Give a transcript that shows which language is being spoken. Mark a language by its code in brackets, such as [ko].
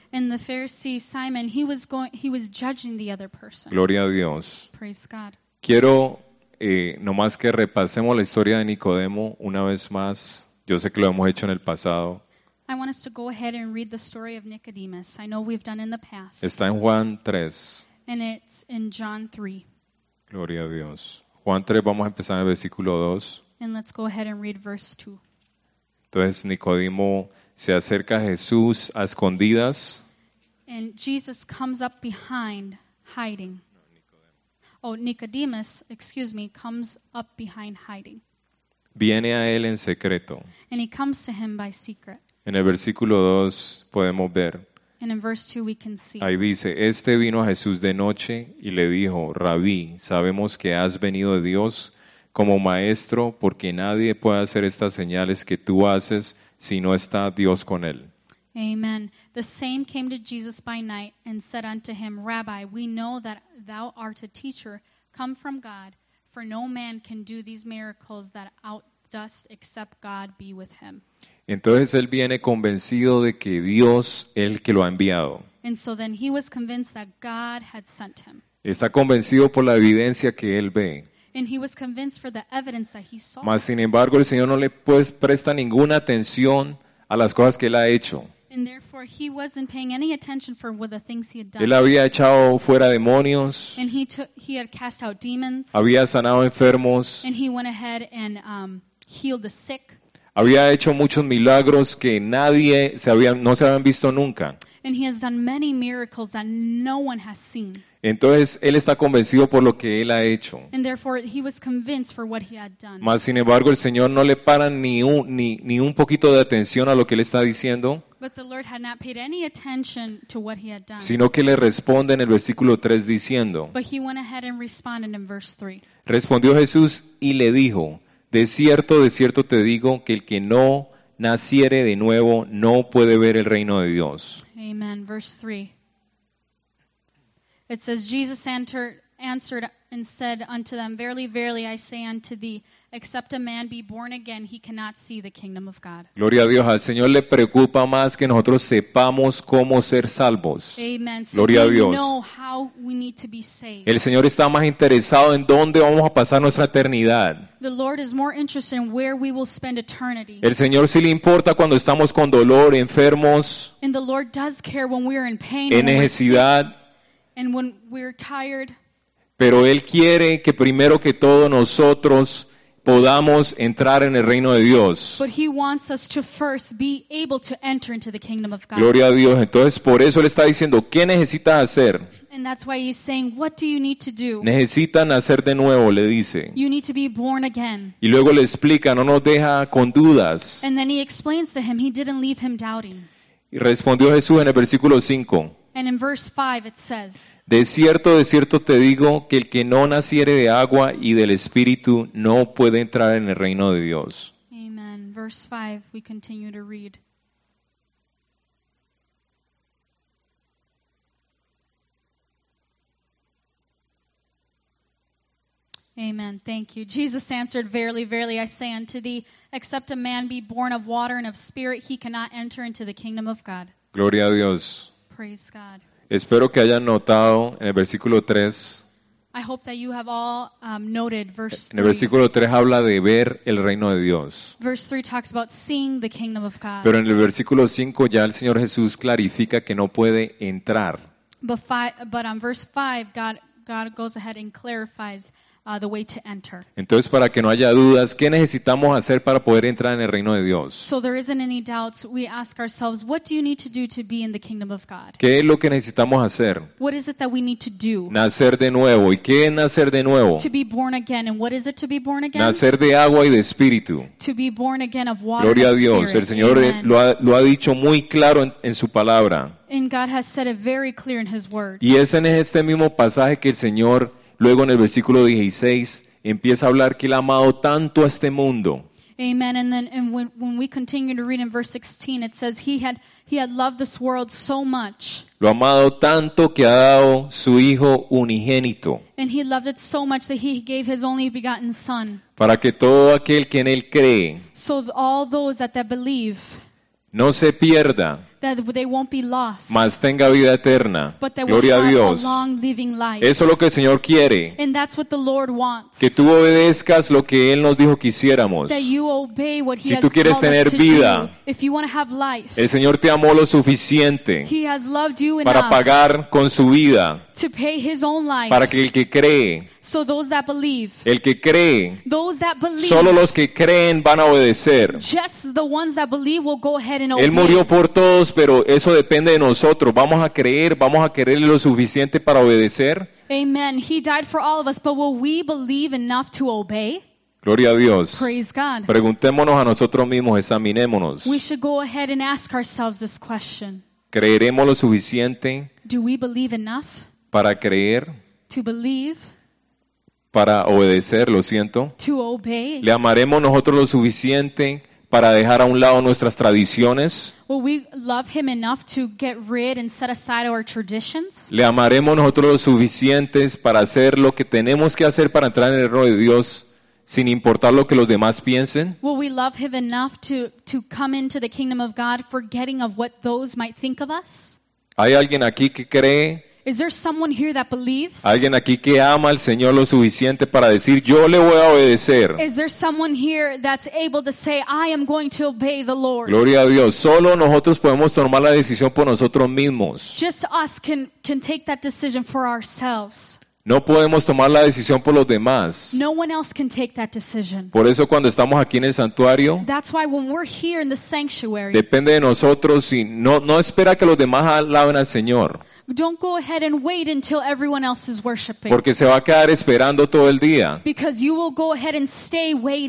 [en] And the Pharisee Simon, he was judging the other person. [es] Gloria a Dios. [en] Praise God. [es] Quiero nomás que repasemos la historia de Nicodemo una vez más. Yo sé que lo hemos hecho en el pasado. [en] I want us to go ahead and read the story of Nicodemus. I know we've done in the past. [es] Está en Juan 3. [en] And it's in John 3. [es] Gloria a Dios. Juan 3, vamos a empezar en el versículo 2. [en] And let's go ahead and read verse 2. [es] Entonces Nicodemo se acerca a Jesús a escondidas. [en] And Jesus comes up behind, hiding. Oh, Nicodemus, excuse me, comes up behind, hiding. [es] Viene a él en secreto. [en] And he comes to him by secret. [es] En el versículo 2 podemos ver. [en] And in verse 2 we can see. [es] Ahí dice, este vino a Jesús de noche y le dijo, Rabí, sabemos que has venido de Dios como maestro, porque nadie puede hacer estas señales que tú haces si no está Dios con él. [en] Amen. The same came to Jesus by night and said unto him, Rabbi, we know that thou art a teacher come from God, for no man can do these miracles that out dost except God be with him. [es] Entonces él viene convencido de que Dios es el que lo ha enviado. [en] And so then he was convinced that God had sent him. [es] Está convencido por la evidencia que él ve. [en] And he was convinced for the evidence that he saw. [es] Mas sin embargo, el Señor no le presta ninguna atención a las cosas que él ha hecho. [en] And therefore he wasn't paying any attention for the things he had done. [es] Él había echado fuera demonios. [en] And he had cast out demons. [es] Había sanado enfermos. [en] And he went ahead and healed the sick. [es] Había hecho muchos milagros que nadie no se habían visto nunca. [en] And he has done many miracles that no one has seen. [es] Entonces él está convencido por lo que él ha hecho. [en] And therefore he was convinced for what he had done. [es] Mas sin embargo, el Señor no le para ni un poquito de atención a lo que él está diciendo. [en] But the Lord had not paid any attention to what he had done. [es] Sino que le responde en el versículo 3 diciendo. [en] But he went ahead and responded in verse 3. [es] Respondió Jesús y le dijo, de cierto te digo que el que no naciere de nuevo no puede ver el reino de Dios. [en] Amen. Verse 3. It says, Jesus answered and said unto them, Verily, verily, I say unto thee, except a man be born again, he cannot see the kingdom of God. [es] Gloria a Dios. Al Señor le preocupa más que nosotros sepamos cómo ser salvos. Amen. Gloria a Dios. [en] Know how we need to be saved. [es] El Señor está más interesado en dónde vamos a pasar nuestra eternidad. [en] The Lord is more interested in where we will spend eternity. [es] El Señor sí le importa cuando estamos con dolor, enfermos. [en] And the Lord does care when we are in pain. [es] En necesidad. [en] And when we're tired. [es] Pero Él quiere que primero que todo nosotros podamos entrar en el reino de Dios. [en] But he wants us to first be able to enter into the kingdom of God. [es] Gloria a Dios. Entonces por eso Él está diciendo, ¿qué necesitas hacer? [en] And that's why he's saying, what do you need to do? [es] Necesitan nacer de nuevo, le dice. [en] You need to be born again. [es] Y luego le explica, no nos deja con dudas. [en] And then he explains to him, he didn't leave him doubting. [es] Y respondió Jesús en el versículo 5. [en] And in verse 5 it says, [es] de cierto te digo que el que no naciere de agua y del espíritu no puede entrar en el reino de Dios. Amen. [en] Verse 5, we continue to read. Amen. Thank you. Jesus answered, Verily, verily, I say unto thee, except a man be born of water and of spirit, he cannot enter into the kingdom of God. [es] Gloria a Dios. [en] Praise God. [es] Espero que hayan notado en el versículo 3. [en] I hope that you have all noted verse 3. [es] En el versículo 3 habla de ver el reino de Dios. [en] Verse 3 talks about seeing the kingdom of God. [es] Pero en el versículo 5 ya el Señor Jesús clarifica que no puede entrar. [en] But on verse 5 God goes ahead and clarifies the way to enter. [es] Entonces, para que no haya dudas, ¿qué necesitamos hacer para poder entrar en el reino de Dios? [en] So there isn't any doubts, we ask ourselves, what do you need to do to be in the kingdom of God? [es] ¿Qué es lo que necesitamos hacer? [en] What is it that we need to do? [es] Nacer de nuevo. ¿Y qué es nacer de nuevo? [en] To be born again. And what is it to be born again? [es] Nacer de agua y de espíritu. [en] To be born again of water. [es] Gloria a Dios. El Señor lo ha dicho muy claro en su palabra. [en] And God has said it very clear in his word. [es] Y es en este mismo pasaje que el Señor luego en el versículo 16 empieza a hablar que él ha amado tanto a este mundo. Amen. [en] And then and when we continue to read in verse 16 it says he had loved this world so much. [es] Lo ha amado tanto que ha dado su hijo unigénito. [en] And he loved it so much that he gave his only begotten son. [es] Para que todo aquel que en él cree. [en] So all those that believe. [es] No se pierda. [en] That they won't be lost. [es] Mas tenga vida eterna. [en] But that [es] Gloria [en] we have [es] a Dios. [en] A long living life. [es] Eso es lo que el Señor quiere. [en] And that's what the Lord wants. [es] Que tú obedezcas lo que Él nos dijo que hiciéramos. [en] That you obey what he [es] si tú quieres tener vida. [en] Do, if you want to have life, [es] el Señor te amó lo suficiente. [en] He has loved you [es] para [en] enough [es] pagar con su vida. [en] To pay his own life. [es] Para que el que cree. [en] So those that believe, [es] el que cree. [en] Those that believe, [es] solo los que creen van a obedecer. [en] Just the ones that believe will go ahead and obey. [es] Él murió por todos. Pero eso depende de nosotros. Vamos a creer, vamos a querer lo suficiente para obedecer. Amen. [en] He died for all of us, but will we believe enough to obey? [es] Gloria a Dios. [en] Praise God. [es] Preguntémonos a nosotros mismos, examinémonos. [en] We should go ahead and ask ourselves this question. [es] ¿Creeremos lo suficiente? [en] Do we believe enough? [es] Para creer. [en] To believe. [es] Para obedecer, lo siento. [en] To obey. [es] ¿Le amaremos nosotros lo suficiente para dejar a un lado nuestras tradiciones? [en] Will we love him enough to get rid and set aside our traditions? [es] ¿Le amaremos nosotros lo suficiente para hacer lo que tenemos que hacer para entrar en el reino de Dios sin importar lo que los demás piensen? [en] Will we love him enough to come into the kingdom of God forgetting of what those might think of us? [es] ¿Hay alguien aquí que cree? [en] Is there someone here that believes? [es] ¿Alguien aquí que ama al Señor lo suficiente para decir yo le voy a obedecer? [en] Is there someone here that's able to say I am going to obey the Lord? [es] Gloria a Dios. Solo nosotros podemos tomar la decisión por nosotros mismos. [en] Just us can take that decision for ourselves. [es] No podemos tomar la decisión por los demás. [en] No one else can take that decision. [es] Por eso cuando estamos aquí en el santuario, [en] that's why when we're here in the sanctuary, [es] depende de nosotros y no espera que los demás alaben al Señor. [en] Don't go ahead and wait until everyone else is worshiping. [es] Porque se va a quedar esperando todo el día. [en] Because you will go ahead and stay waiting.